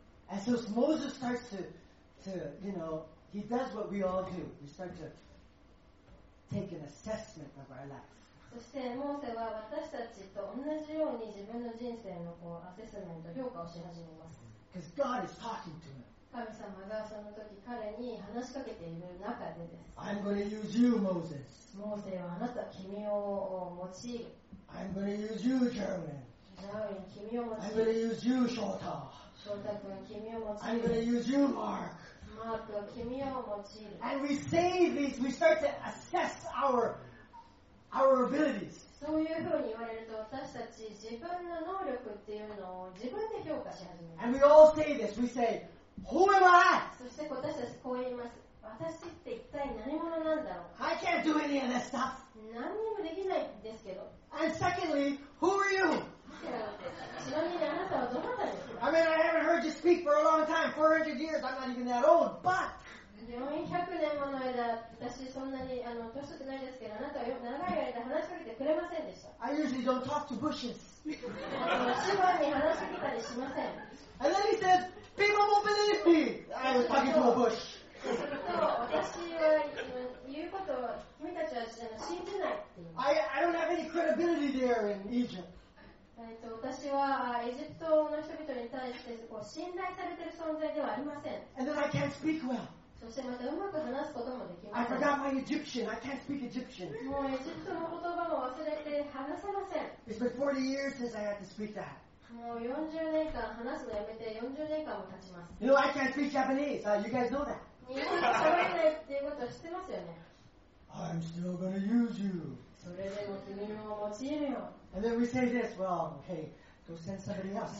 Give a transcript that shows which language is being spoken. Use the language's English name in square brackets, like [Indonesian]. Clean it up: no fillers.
[English] And so Moses starts to, you know, he does what we all do. We start to take an assessment of our lives. [Japanese] そしてモーセは私たちと同じように自分の人生のこうアセスメント、評価をし始めます。 [English] Because God is talking to him. [Japanese] 神様がその時彼に話しかけている中でです。 [English] I'm going to use you, Moses. [Japanese] モーセはあなた、君を用いる。 [English] I'm going to use you, Jeremy. I'm going to use you, Shota. [Japanese] Shota 君、君を用いる。 [English] I'm going to use you, Mark. [Japanese] Mark 君を用いる。 [English] And we say these, we start to assess our abilities. [Japanese] そういうふうに言われると、私たち自分の能力っていうのを自分で評価し始める。 [English] And we all say this, we say, Who am I? [Japanese] そして私たちこう言います。私って一体何者なんだろう。 [English] I can't do any of this stuff. [Japanese] 何にもできないんですけど。 [English] And secondly, Who are you? I mean, I haven't heard you speak for a long time, 400 years, I'm not even that old, but... [Japanese] 400年もの間、私そんなに年取ってないですけど、あなたは長い間話しかけてくれませんでした。 [English] I usually don't talk to bushes. [Japanese] 芝に話しかけたりしません。 [English] And then he says, be my mobility! I was talking to a bush. [Japanese] 私は言うことを君たちは信じないっていう。 [English] I don't have any credibility there in Egypt. [Japanese] 私はエジプトの人々に対してこう信頼されている存在ではありません。 [English] And then I can't speak well. [Japanese] そしてまたうまく話すこともできません。 [English] I forgot my Egyptian. I can't speak Egyptian. [Japanese] もうエジプトの言葉も忘れて話せません。 [English] It's been 40 years since I had to speak that. [Japanese] もう40年間話すのやめて40年間も経ちます。 [English] You know, I can't speak Japanese. You guys know that. [Japanese] 日本語喋れないっていうことは知ってますよね。 [English] I'm still gonna use you. [Japanese] それでも君を用いるよ。 [English] And then we say this, well, hey, go send somebody else.